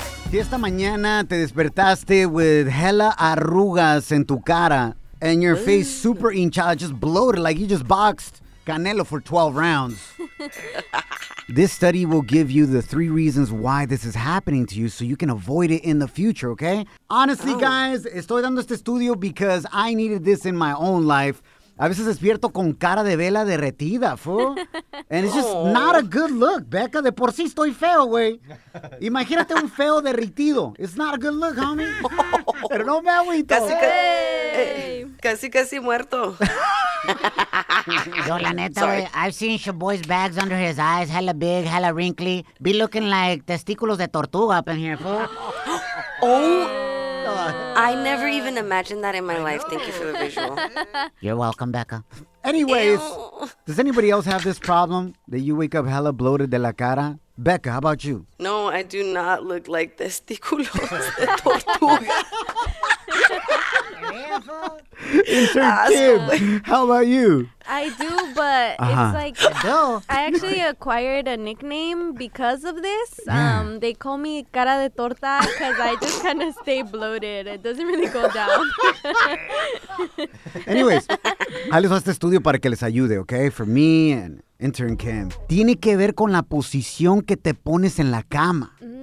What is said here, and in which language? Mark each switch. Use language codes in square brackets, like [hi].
[es] Si esta mañana te despertaste [en] with hella [es] arrugas en tu cara [en] and your face super [es] hinchada, [en] just bloated like you just boxed Canelo for 12 rounds. This study will give you the 3 reasons why this is happening to you so you can avoid it in the future, okay? Honestly, guys, [es] estoy dando este estudio [en] because I needed this in my own life. [es] A veces despierto con cara de vela derretida, [en] fool. And it's just not a good look, Becca. [es] De por sí estoy feo, güey. Imagínate un feo derretido. [en] It's not a good look, homie. [es] Pero no me agüito. Casi muerto. [en] Yo, [es] la neta, güey, [en] I've seen your boy's bags under his eyes, hella big, hella wrinkly. Be looking like [es] testículos de tortuga [en] up in here, fool. I never even imagined that in my life. Thank you for the visual. You're welcome, Becca. Anyways, does anybody else have this problem that you wake up hella bloated [es] de la cara? [en] Becca, how about you? No, I do not look like [es] testículos de tortuga. [en] Kim, how about you? I do, but it's like, I actually acquired a nickname because of this. They call me cara de torta because I just kind of stay bloated. It doesn't really go down. [es] Anyways, ahí les va este estudio para que les ayude, okay? [en] For me and intern Kim. [es] Tiene que ver con la posición que te pones en la cama.